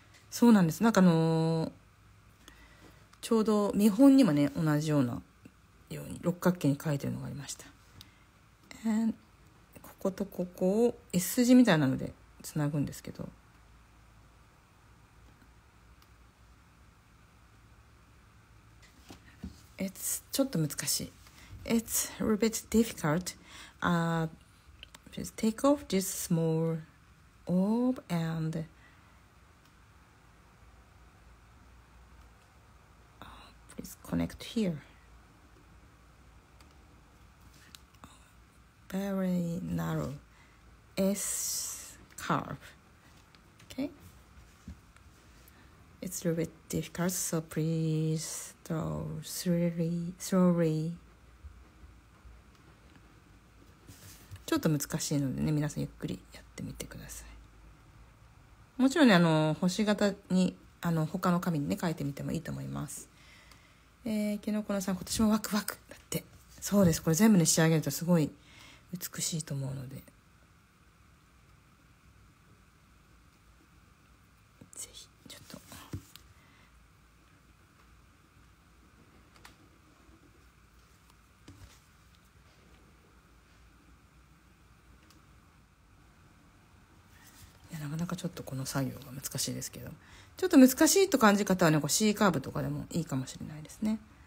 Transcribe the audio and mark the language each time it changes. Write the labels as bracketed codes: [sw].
[ja] そうなんです、なんかちょうど見本にもね、同じようなように六角形に書いてるのがありました。こことここを S 字みたいなのでつなぐんですけど、ちょっと難しい。 [en] It's a little bit difficultJust take off this small orb and please connect here. Very narrow S curve. Okay. It's a little bit difficult, so please draw slowly. [ja] ちょっと難しいのでね、皆さんゆっくりやってみてください。もちろんね、星型に他の紙にね書いてみてもいいと思います。キノコのさん、今年もワクワクだって。そうです、これ全部ね仕上げるとすごい美しいと思うので、ぜひちょっと作業が難しいですけど、ちょっと難しいと感じ方はね、こう C カーブとかでもいいかもしれないですね。